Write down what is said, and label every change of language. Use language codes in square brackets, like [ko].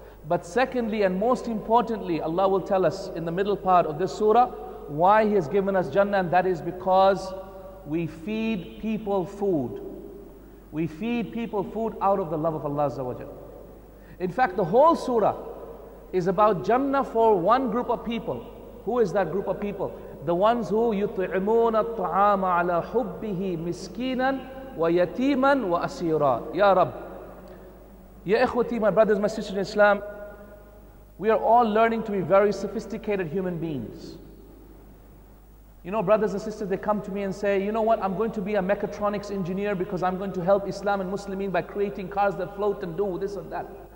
[en] But secondly and most importantly, Allah will tell us in the middle part of this surah why He has given us Jannah, and that is because we feed people food. We feed people food out of the love of Allah Azza wa Jalla. In fact, the whole surah is about Jannah for one group of people. Who is that group of people? The ones who [ar] يُطْعِمُونَ الطَّعَامَ عَلَى حُبِّهِ مِسْكِينًا وَيَتِيمًا وَأَسِيرًا. Ya Rab. [en] Ya Ikhwati, my brothers, my sisters in Islam, we are all learning to be very sophisticated human beings. You know, brothers and sisters, they come to me and say, you know what, I'm going to be a mechatronics engineer because I'm going to help Islam and Muslimin by creating cars that float and do this and that.